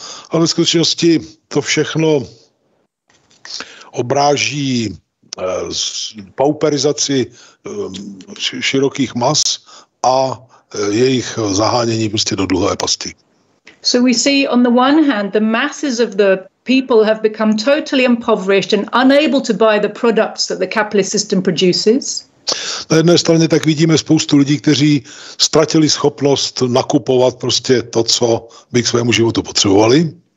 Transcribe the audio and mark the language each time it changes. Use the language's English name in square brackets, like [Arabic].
[Czech] Ale ve skutečnosti to všechno obráží pauperizaci širokých mas a jejich zahánění prostě do dluhové pasti. [English] So we see on the one hand, the masses of the people have become totally impoverished and unable to buy the products that the capitalist system produces. [Czech] Na jedné straně tak vidíme spoustu lidí, kteří ztratili schopnost nakupovat prostě to, co by k svému životu potřebovali.